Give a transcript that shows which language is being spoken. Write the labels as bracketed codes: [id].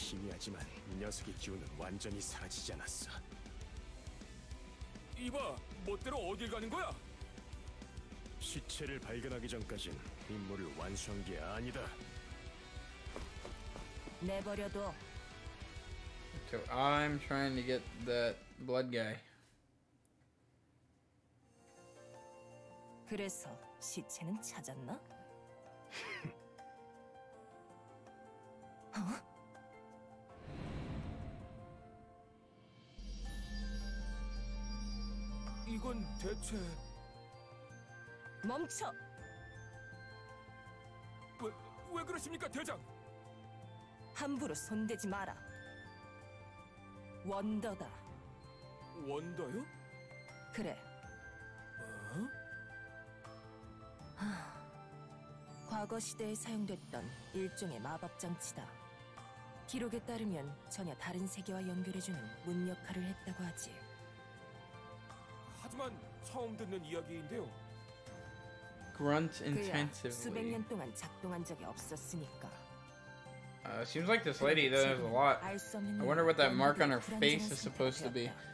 [ko] 하지만 이 녀석의 기운은 완전히 사라지지 않았어. 이봐, 멋대로 어딜 가는 거야? 시체를 발견하기 전까지는 임무를 완수한 게 아니다. 내버려둬. [en] So I'm trying to get that blood guy. [ko] 그래서 시체는 찾았나? 어? 이건 대체 멈춰. 왜 그러십니까, 대장? 함부로 손대지 마라. 원더다. 원더요? 그래. 어? 과거 시대에 사용됐던 일종의 마법 장치다. 기록에 따르면 전혀 다른 세계와 연결해 주는 문 역할을 했다고 하지. 하지만 처음 듣는 이야기인데요. [en] Grunt intensively. [ko] 그야 수백 년 동안 작동한 적이 없었으니까. [en] Seems like this lady does a lot. I wonder what that mark on her face is supposed to be.